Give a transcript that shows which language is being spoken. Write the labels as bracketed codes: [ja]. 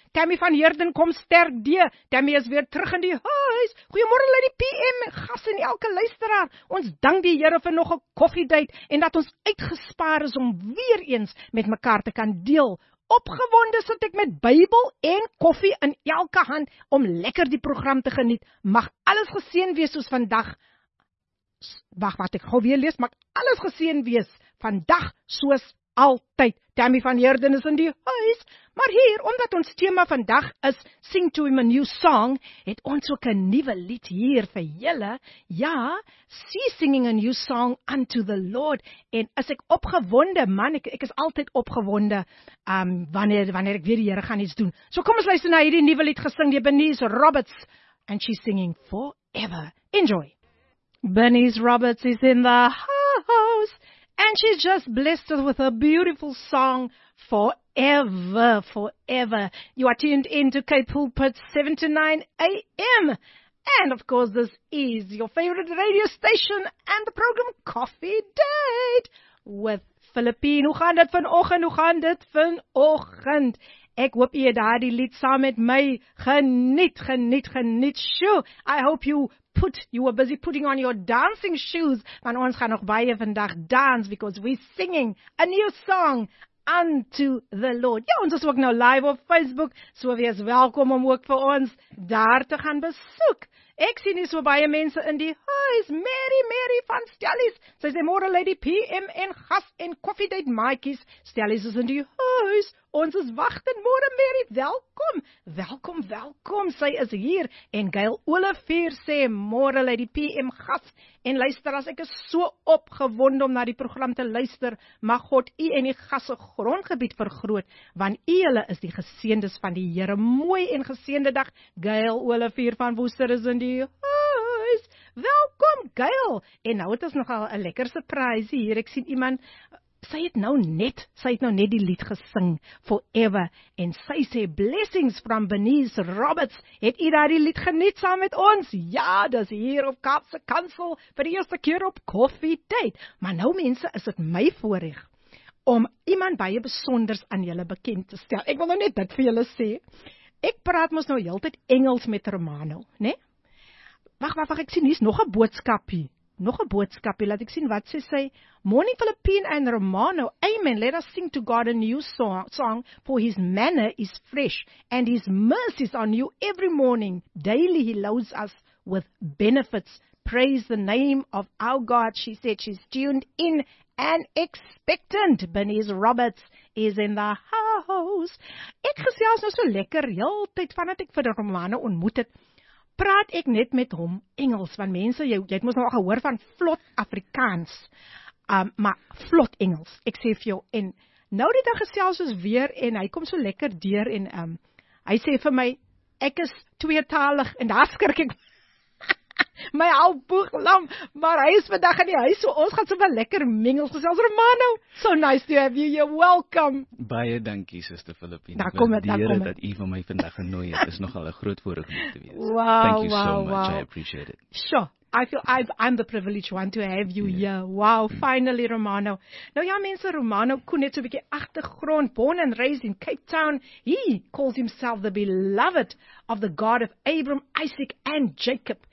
[af] Tammy van Heerden kom sterk deur. Tammy is weer terug in die huis. Goeiemôre lê die PM, gas en elke luisteraar. Ons dank die Here vir nog 'n koffiedייט en dat ons uitgespaar is om weer eens met mekaar te kan deel Opgewonde sit ek met Bybel en koffie in elke hand om lekker die program te geniet. Mag alles geseën wees soos vandag. Mag alles geseën wees vandag soos altyd. Tammy van Heerden is in die huis. Maar hier, omdat ons thema vandag is Sing to Him a New Song, het ons ook 'n nuwe lied hier vir julle. [en] Ja, See Singing a New Song Unto the Lord. [af] En as ek opgewonde, man, ek is altyd opgewonde wanneer ek weer die Here gaan iets doen. So kom ons luister na hierdie nuwe lied gesing deur Bernice Roberts [en] and she's singing Forever. Enjoy. Bernice Roberts is in the house and she's just blessed us with a beautiful song Forever, Forever. You are tuned in to Cape Pulpit 7 to 9 a.m. And of course this is your favorite radio station and the program Coffee Date with Philippine. [af] Hoe gaan dit vanoggend? Hoe gaan dit vanoggend? Ek hoop jy daardie lied saam met my geniet. [en] Sjoe, I hope you were busy putting on your dancing shoes. [af] Want ons gaan nog baie vandag [en] dance because we're singing a new song unto the Lord. [af] Ja, ons is ook nou live op Facebook, so wees welkom om ook vir ons daar te gaan besoek. Ek sien hier so baie mense in die huis. Mary van Stellies. Sy sê môre Lady PM en gas en koffie tyd maatjies. Stellies is in die huis. Ons is wagtend môre Mary. Welkom. Sy is hier. En Gail Olivier sê môre Lady PM gas. En luister as ek is so opgewonde om na die program te luister. Mag God u en die gasse grondgebied vergroot. Want u hulle is die geseendes van die Here. Mooi en geseende dag. Gail Olivier van Woester is in die huis. Welkom, Gail. En nou het ons nogal 'n lekker surprise hier. Ek sien iemand, sy het nou net die lied gesing, Forever. En sy sê, blessings from Bernice Roberts. Het u daar die lied geniet saam met ons? Ja, dis hier op Kaapse Kansel vir die eerste keer op Koffie Tyd. Maar nou, mense, is dit my voorreg om iemand baie besonders aan julle bekend te stel. Ek wil nou net dit vir julle sê. Ek praat mos nou heeltyd Engels met Romano, né? Wag, ek sien hier's nog 'n boodskapie. Laat ek sien wat sê sy. [en] Morning Philippine and Romano. Amen. Let us sing to God a new song for his manner is fresh and his mercies are new every morning. Daily he loads us with benefits. Praise the name of our God. She said she's tuned in and expectant. Bernice Roberts is in the house. [af] Ek gesels nou so lekker heeltyd vandat ek vir Romano ontmoet het. Praat ek net met hom Engels, want mense, jy het mos nou al gehoor van vlot Afrikaans, maar vlot Engels, ek sê vir jou, en nou die dag gesels ons weer, en hy kom so lekker deur, en hy sê vir my, ek is tweetalig, en daar skrik ek my al boeglam, maar hy is vandag in die huis, so ons gaan so wel lekker mingels gesels. [en] Romano, so nice to have you, you're welcome. [af] Baie dankie, sister Philippine. Daar kom het, daar kom het. Dat u van my vandag genooi het, is nogal een groot voorreg om te wees. [en] Wow. I appreciate it. Sure, I feel I'm the privileged one to have you here. Wow, finally Romano. [af] Nou ja mense, Romano kon net so'n bietjie achtergrond, [en] born and raised in Cape Town. He calls himself the beloved of the God of Abraham, Isaac and Jacob.